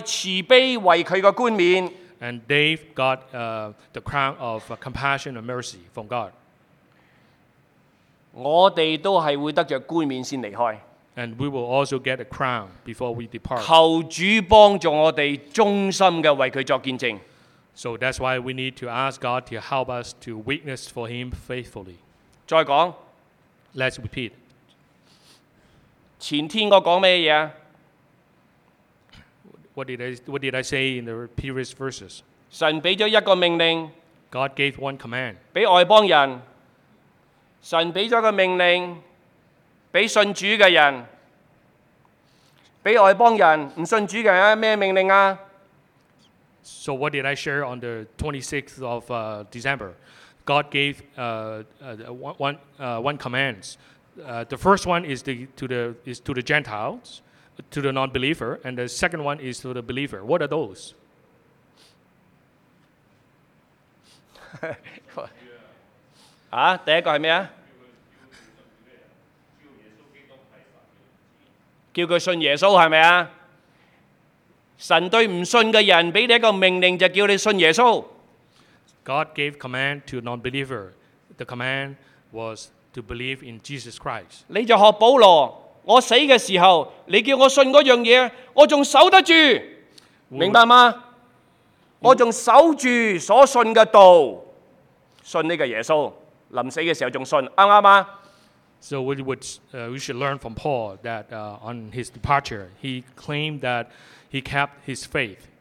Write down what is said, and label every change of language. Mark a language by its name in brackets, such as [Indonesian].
[Chinese] 大卫知道得什么？就是仁爱慈悲为他的冠冕。 [English] And Dave got the crown of compassion and mercy from God. [Chinese] 我们都是会得着冠冕先离开。 [English] And we will also get a crown before we depart. [Chinese] 求主帮助我们忠心地为他作见证。 [English] So that's why we need to ask God to help us to witness for him faithfully. [Chinese] 再讲, [English] Let's repeat. [Chinese] 前天我讲什么？ [English] What did I say in the previous verses? [Chinese] 神给了一个命令, [English] God gave one command. [Chinese] 给外邦人, 神给了一个命令, 给信主的人, 给外邦人不信主的人什么命令啊？ [English] So what did I share on the 26th of December? God gave one command. The first one is to the Gentiles, to the non-believer, and the second one is to the believer. What are those? [Chinese] 第一个是什么？叫他信耶稣是不是？神对不信的人给你一个命令，就叫你信耶稣。 [English] God gave command to non-believer. The command was to believe in Jesus Christ. [Chinese] 你就学保罗，我死的时候，你叫我信那样东西，我还守得住。明白吗？我还守住所信的道，信这个耶稣，临死的时候还信，对吗？ [English] So we should learn from Paul that on his departure, he claimed that he kept his faith.